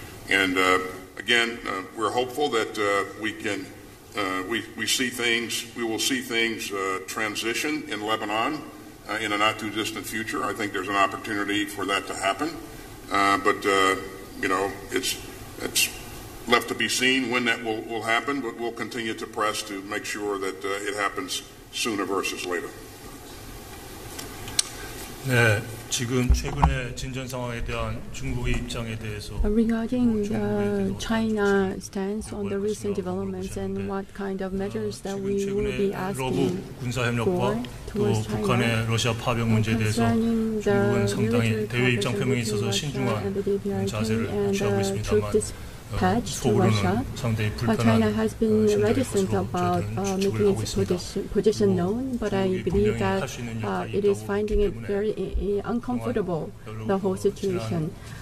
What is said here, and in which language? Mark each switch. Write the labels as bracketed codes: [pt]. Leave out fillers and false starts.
[en] And again, we're hopeful that we will see things transition in Lebanon in a not too distant future. I think there's an opportunity for that to happen, but it's left to be seen when that will happen. But we'll continue to press to make sure that it happens sooner versus later. [ko] 네, 지금 최근의 진전 상황에 대한 중국의 입장에 대해서 [en] Regarding the China stance on the recent developments and what kind of measures that we will be asking [ko] 군사 협력과 또 북한의 러시아 파병 문제에 대해서 중국은 상당히 대외 입장 표명에 있어서 신중한 자세를 취하고 있습니다만 [en] patch to Russia, but China has been reticent about making its position known, but I believe that it is finding it very uncomfortable, the whole situation.